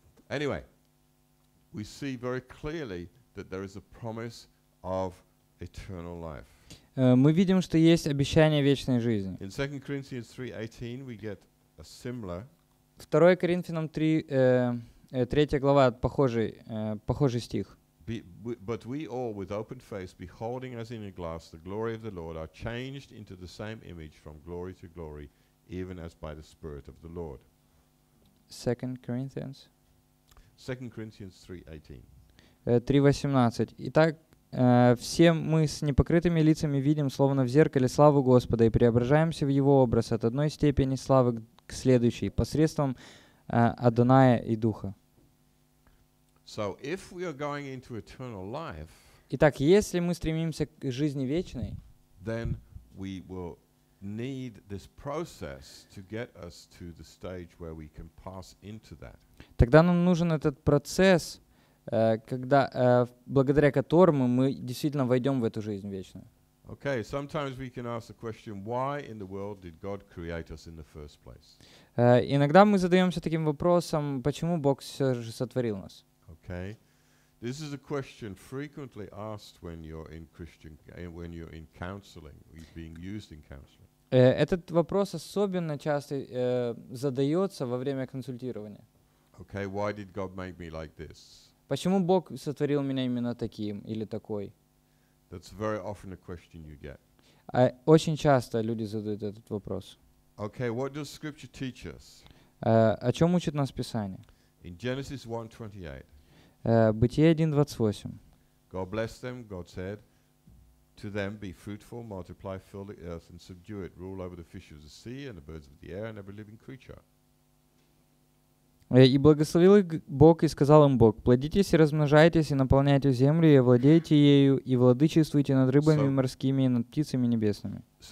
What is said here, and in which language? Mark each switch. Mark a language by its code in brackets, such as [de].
[en] Anyway, we see very clearly that there is a promise of eternal life. [ru] Мы видим, что есть обещание вечной жизни. [en] In 2 Corinthians 3:18 we get a similar. [ru] 2 Коринфянам 3 3 глава похожий стих. [en] But we all with open face beholding as in a glass the glory of the Lord are changed into the same image from glory to glory even as by the Spirit of the Lord. 2 Corinthians 3:18. 3:18. [ru] Итак, все мы с непокрытыми лицами видим, словно в зеркале, славу Господа и преображаемся в Его образ от одной степени славы к следующей посредством Адоная и Духа. [en] So if we are going into eternal life, [ru] итак, если мы стремимся к жизни вечной, [en] then we will need this process to get us to the stage where we can pass into that. [ru] Тогда нам нужен этот процесс, когда благодаря которому мы действительно войдем в эту жизнь вечную. [en] Okay, sometimes we can ask the question, why in the world did God create us in the first place? [ru] Иногда мы задаемся таким вопросом, почему Бог все же сотворил нас? [en] Okay. This is a question frequently asked when you're in Christian when you're in counseling, being used in counseling. [ru] Этот вопрос особенно часто задается во время консультирования. [en] Okay, why did God make me like this? [ru] Почему Бог сотворил меня именно таким или такой? [en] That's very often a question you get. [ru] Очень часто люди задают этот вопрос. [en] Okay, what does scripture teach us? [ru] О чем учит нас Писание? [en] In Genesis 1:28. [ru] Бытие 1:28. [en] God blessed them, God said to them, be fruitful, multiply, fill the earth and subdue it, rule over the fish of the sea and the birds of the air and every living creature. [ru] И благословил их Бог, и сказал им Бог, плодитесь и размножайтесь, и наполняйте землю, и овладейте ею, и владычествуйте над рыбами морскими и над птицами небесными.